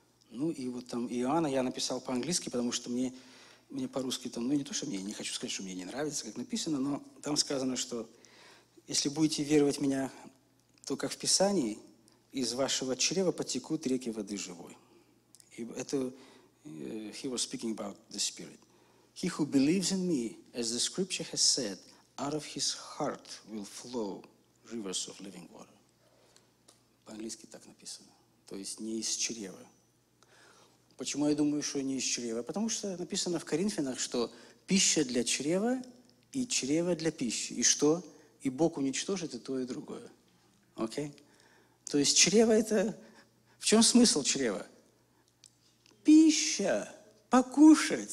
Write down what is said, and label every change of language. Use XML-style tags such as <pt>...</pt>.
<ru>Ну и вот там Иоанна я написал по-английски, потому что мне по-русски там, ну не то, что мне, не хочу сказать, что мне не нравится, как написано, но там сказано, что если будете веровать в меня, то, как в Писании, из вашего чрева потекут реки воды живой. И это</ru> <en>he was speaking about the Spirit. He who believes in me, as the scripture has said, out of his heart will flow rivers of living water.</en> <ru>По-английски так написано. То есть не из чрева. Почему я думаю, что не из чрева? Потому что написано в Коринфянах, что пища для чрева и чрево для пищи. И что? И Бог уничтожит и то, и другое. Окей? Okay? То есть чрево это... В чем смысл чрева? Пища. Покушать.</ru>